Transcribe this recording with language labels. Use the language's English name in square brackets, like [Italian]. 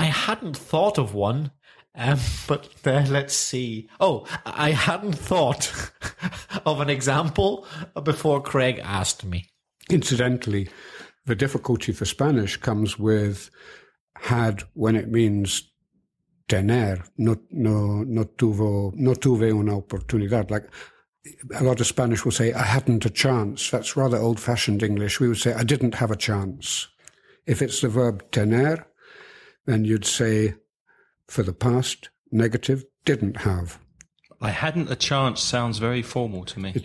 [English] I hadn't thought of one. Let's see. Oh, I hadn't thought of an example before Craig asked me. Incidentally, the difficulty for Spanish comes with had when it means tener. [Spanish] No tuve una oportunidad. [English] Like a lot of Spanish will say, I hadn't a chance. That's rather old-fashioned English. We would say, I didn't have a chance. If it's the verb tener, then you'd say, for the past, negative, didn't have. I hadn't a chance sounds very formal to me.